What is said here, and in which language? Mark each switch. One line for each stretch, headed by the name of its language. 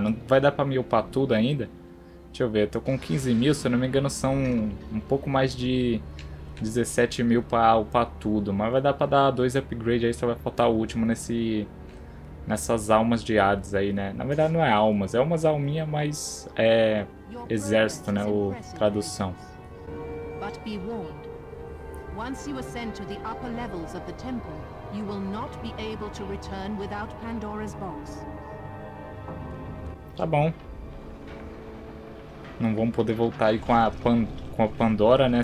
Portuguese: Não vai dar pra me upar tudo ainda? Deixa eu ver, eu tô com 15 mil, se eu não me engano, são um pouco mais de 17 mil pra upar tudo. Mas vai dar pra dar dois upgrades aí, só vai faltar o último nessas almas de Hades aí, né? Na verdade não é almas, é umas alminhas, mas é exército, né? O tradução.
English: But be warned. Once you ascend to the upper levels of the temple, you will not be able to return without Pandora's box.
Portuguese: Tá bom. Não vamos poder voltar aí com a Pandora, né?